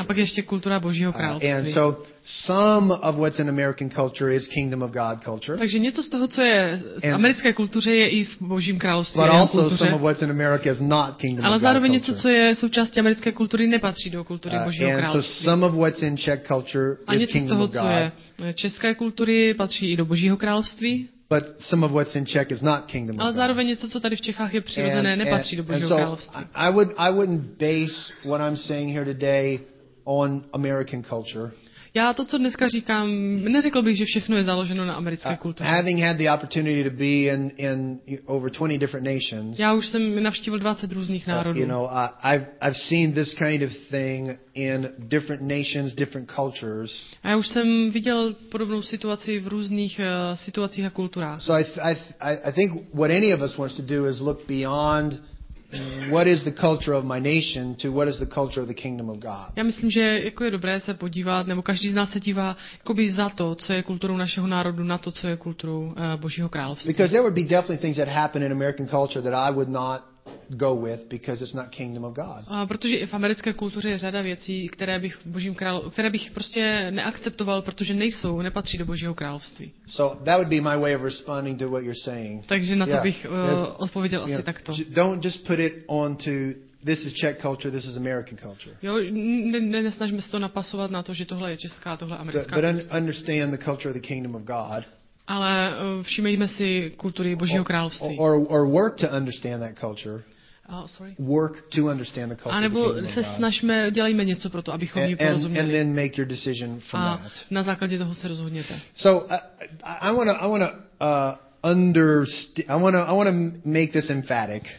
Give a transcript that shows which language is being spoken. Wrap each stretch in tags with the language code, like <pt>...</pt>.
<cs>A pak ještě kultura Božího království.</cs> <en>And so some of what's in American culture is Kingdom of God culture.</en> <cs>Takže něco z toho, co je v americké kultuře, je i v Božím království.</cs> <en>But also some of what's in America is not Kingdom of God.</en> <cs>Ale zároveň něco, co je součástí americké kultury, nepatří do kultury Božího království.</cs> <en>And so some of what's in Czech culture is Kingdom of God.</en> <cs>A něco z toho, co je české kultury, patří i do Božího království.</cs> <en>But some of what's in Czech is not Kingdom of God.</en> <cs>Ale zároveň něco, co tady v Čechách je přirozené, nepatří do Božího království.</cs> <en>I wouldn't base what I'm saying here today on American culture.</en> <cs>Já to, co dneska říkám, neřekl bych, že všechno je založeno na americké kultuře.</cs> <en>Having had the opportunity to be in over 20 different nations.</en> <cs>Já už jsem navštívil 20 různých národů.</cs> <en>You know, I've seen this kind of thing in different nations, different cultures.</en> <cs>A já už jsem viděl podobnou situaci v různých situacích a kulturách.</cs> <en>So I think what any of us wants to do is look beyond what is the culture of my nation to what is the culture of the kingdom of God.</en> <cs>Já myslím, že jako je dobré se podívat, nebo každý z nás se dívá jakoby za to, co je kulturou našeho národu, na to, co je kulturou Božího království.</cs> <en>Because there would be definitely things that happen in American culture that I would not go with because it's not kingdom of God.</en> <cs>A protože i v americké kultuře je řada věcí, které bych Božím království, které bych prostě neakceptoval, protože nejsou, nepatří do Božího království.</cs> <en>So that would be my way of responding to what you're saying.</en> <cs>Takže na to bych odpověděl asi takto.</cs> <en>Don't just put it on to this is Czech culture, this is American culture.</en> <cs>Jo, nesnažme se to napasovat na to, že tohle je česká, tohle je americká.</cs> <en>But understand the culture of the kingdom of God.</en> <cs>Ale všimejme si kultury Božího království.</cs> <en>Or work to understand that culture. Oh, sorry. Work to understand the culture.</en> <cs>A nebo se snažme, dělejme něco pro to, abychom ji porozuměli.</cs> <en>And then make your decision from that.</en> <cs>A na základě toho se rozhodněte.</cs> <en>So I want to make this emphatic.</en>